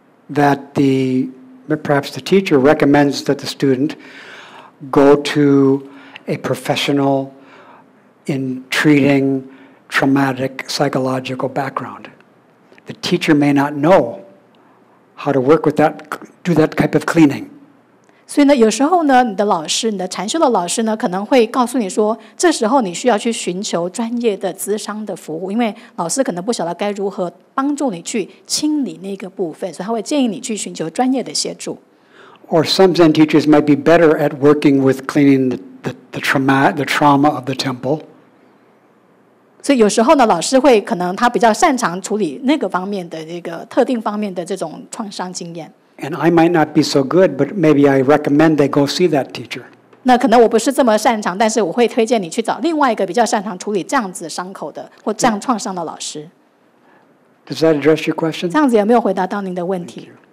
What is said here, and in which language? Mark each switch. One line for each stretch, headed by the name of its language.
English: That the perhaps the teacher recommends that the student go to a professional in treating traumatic psychological background. The teacher may not know how to work with that, do that type of cleaning.
Chinese: 所以呢，有时候呢，你的老师，你的禅修的老师呢，可能会告诉你说，这时候你需要去寻求专业的咨商的服务，因为老师可能不晓得该如何。帮助你去清理那个部分，所以他会建议你去寻求专业的协助。
English: Or some Zen teachers might be better at working with cleaning the trauma of the temple.
Chinese: 所以有时候呢，老师会可能他比较擅长处理那个方面的这个特定方面的这种创伤经验。
English: And I might not be so good, but maybe I recommend they go see that teacher.
Chinese: 那可能我不是这么擅长，但是我会推荐你去找另外一个比较擅长处理这样子伤口的或这样创伤的老师。
English: Yeah. Does that address your question?
Chinese: 这样子有没有回答到您的问题